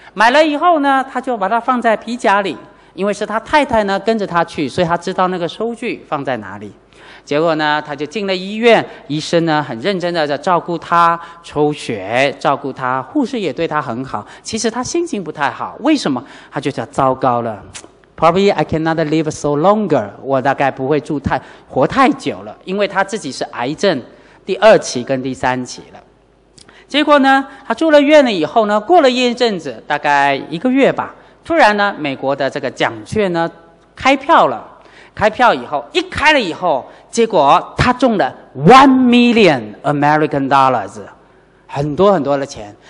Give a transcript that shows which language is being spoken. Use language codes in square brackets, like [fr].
[zh] 买了以后呢，他就把它放在皮夹里，因为是他太太呢跟着他去，所以他知道那个收据放在哪里。结果呢，他就进了医院，医生呢很认真的在照顾他，抽血照顾他，护士也对他很好。其实他心情不太好，为什么？他就叫糟糕了。 [en] Probably I cannot live so longer. [zh] 我大概不会住太活太久了，因为他自己是癌症第二期跟第三期了。结果呢，他住了院了以后呢，过了一阵子，大概一个月吧，突然呢，美国的这个奖券呢开票了。开票以后，一开了以后，结果他中了 [en] $1 million American， [zh] 很多很多的钱。